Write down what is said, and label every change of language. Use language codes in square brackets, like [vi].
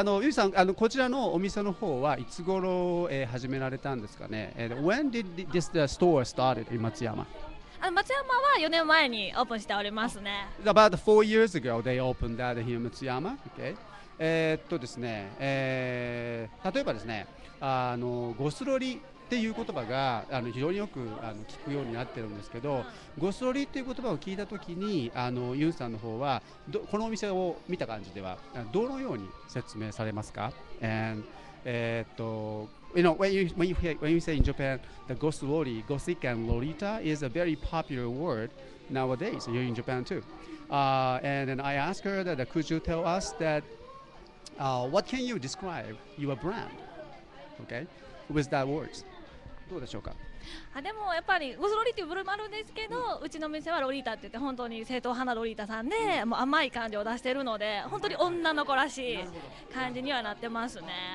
[ja] And Yu さん、こちらのお店の方はいつ頃、始められたんですかね? [en] And when did this the store started in Matsuyama? [ja] 松山は4年前にオープンしておりますね。 [en] About 4 years ago they opened that here in Matsuyama. Okay. [ja] ですね、例えばですね、ゴスロリっていう言葉が非常によく聞くようになってるんですけど、ゴスロリっていう言葉を聞いたときにユンさんの方はこのお店を見た感じではどのように説明されますか? [en] And, you know, when you say in Japan, the Gosuri, Gosik and Lolita is a very popular word nowadays here in Japan too. And then I ask her that, could you tell us that, what can you describe your brand? Okay? With that words. [ja] どうでしょうか。あ、でもやっぱりゴスロリっていう部分もあるんですけど、うん、うちの店はロリータって言って本当に正統派なロリータさんで、うん、もう甘い感じを出しているので、本当に女の子らしい感じにはなってますね。